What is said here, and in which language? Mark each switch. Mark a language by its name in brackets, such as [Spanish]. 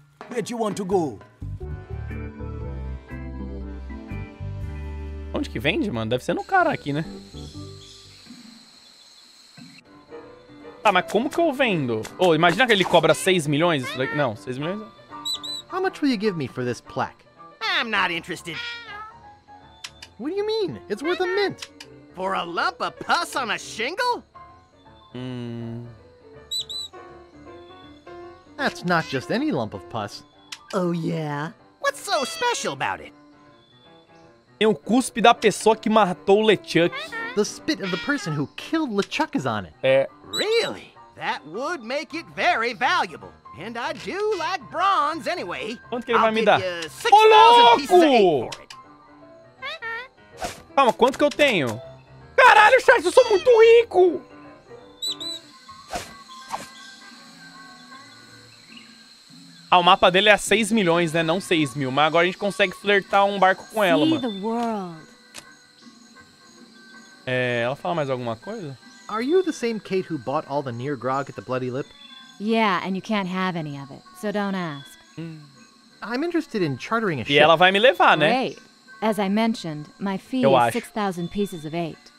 [English] Where do you want to go? [Portuguese] Onde que vende, mano? Deve ser no cara aqui, né? Tá, mas como que eu vendo? Oh, imagina que ele cobra 6 milhões isso daqui. Não, 6 milhões. [English] How much will you give me for this plaque? I'm not interested. What do you mean? It's worth a mint. For a lump of pus on a shingle? That's not just any lump of pus. Oh yeah. What's so special about it? [Portuguese] Tem o cuspe da pessoa que matou o LeChuck’s. [English] The spit of the person who killed LeChuck’s on it. [Portuguese] É. [English] Really? That would make it very valuable. And I do like bronze anyway. [Portuguese] Quanto que ele vai [English] I'll [Portuguese] me dar? Ô, louco! Calma, quanto que eu tenho? Caralho, Charles, eu sou muito rico! Ah, o mapa dele é 6 milhões, né? Não 6 mil. Mas agora a gente consegue flertar um barco com ela, mano. É, ela fala mais alguma coisa? [English] Are you the same Kate who bought all the near grog at the Bloody Lip? Yeah, and you can't have any of it, so don't ask. I'm interested in chartering a ship. [Portuguese] E ela vai me levar, né? [English] Great. As I mentioned, my fee [Portuguese] Eu [English] is [Portuguese] acho. [English] 6,000 pieces of 8.